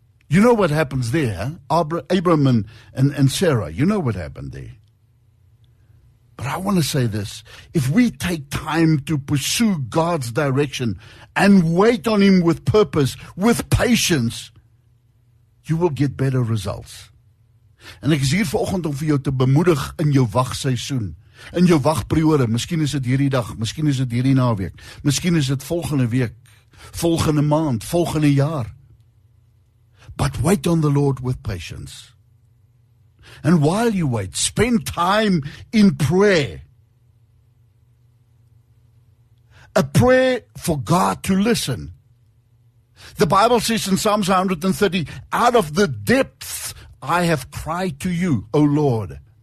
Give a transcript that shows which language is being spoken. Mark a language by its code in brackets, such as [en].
[en] You know what happens there, Abram and Sarah, you know what happened there. But I want to say this, if we take time to pursue God's direction and wait on Him with purpose, with patience, you will get better results. [af] En ek is hier vanoggend om vir jou te bemoedig in jou wagseisoen. In jou wagperiode, miskien is dit hierdie dag, miskien is dit hierdie naweek, miskien is dit volgende week, volgende maand, volgende jaar. [en] But wait on the Lord with patience. And while you wait, spend time in prayer. A prayer for God to listen. The Bible says in Psalms 130, out of the depths I have cried to you, O Lord.